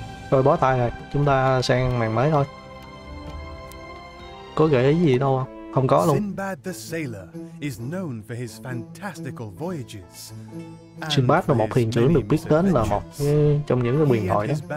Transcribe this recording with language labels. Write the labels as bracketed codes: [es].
[vi] Rồi bó tay rồi, chúng ta sang màn mới thôi. Có gợi ý gì đâu không? Không có luôn. [en] Sinbad the Sailor is known for his fantastical voyages. [vi] Sinbad là một thuyền trưởng được biết đến là một trong những cái huyền thoại đó.